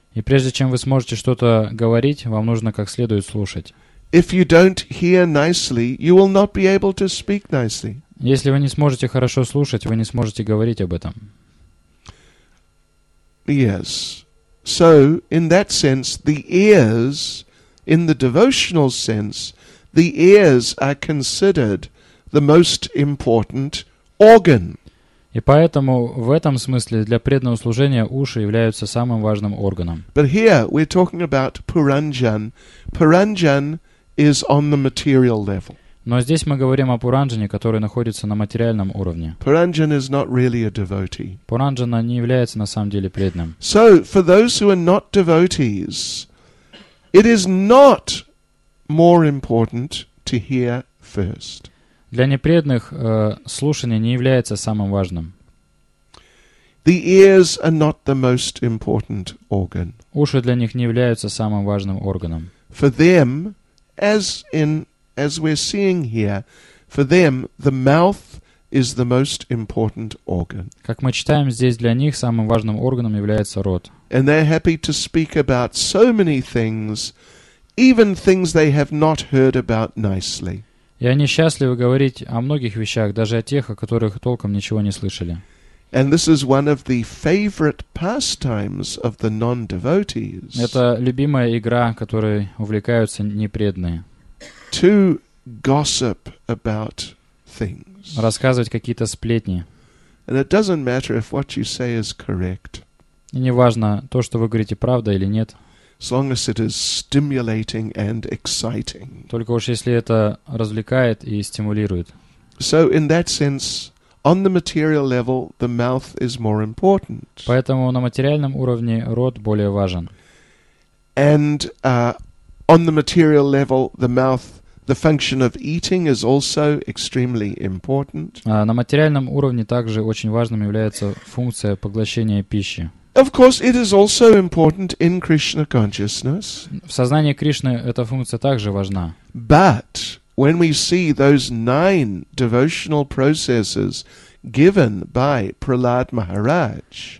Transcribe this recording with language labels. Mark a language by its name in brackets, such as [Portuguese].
[Russian] И прежде чем вы сможете что-то говорить, вам нужно как следует слушать. [English] If you don't hear nicely, you will not be able to speak nicely. [Russian] Если вы не сможете хорошо слушать, вы не сможете говорить об этом. [English] Yes. So, in that sense, the ears, in the devotional sense, the ears are considered the most important organ. [Russian] И поэтому в этом смысле для преданного служения уши являются самым важным органом. [English] But here we're talking about Puranjan. Puranjan is on the material level. [Russian] Но здесь мы говорим о Пуранджане, который находится на материальном уровне. [English] Puranjan is not really a devotee. [Russian] Пуранджана не является на самом деле преданным. [English] So, for those who are not devotees, it is not more important to hear first. [Russian] Для непреданных слушание не является самым важным. [English] The ears are not the most important organ. [Russian] Уши для них не являются самым важным органом. [English] For them, as we're seeing here, for them the mouth is the most important organ. [Russian] Как мы читаем здесь, для них самым важным органом является рот. [English] And they're happy to speak about so many things, even things they have not heard about nicely. [Russian] И они счастливы говорить о многих вещах, даже о тех, о которых толком ничего не слышали. [English] And this is one of the favorite pastimes of the non-devotees. [Russian] Это любимая игра, которой увлекаются непреданные. [English] To gossip about things. [Russian] Рассказывать какие-то сплетни. [English] And it doesn't matter if what you say is correct. [Russian] И не важно, то, что вы говорите, правда или нет. [English] As long as it is stimulating and exciting. [Russian] Только уж если это развлекает и стимулирует. [English] So in that sense, on the material level, the mouth is more important. [Russian] Поэтому на материальном уровне рот более важен. [English] And on the material level, the mouth, the function of eating is also extremely important. [Russian] На материальном уровне также очень важным является функция поглощения пищи. [English] Of course, it is also important in Krishna consciousness. [Russian] В сознании Кришны эта функция также важна. [English] But when we see those nine devotional processes given by Prahlad Maharaj.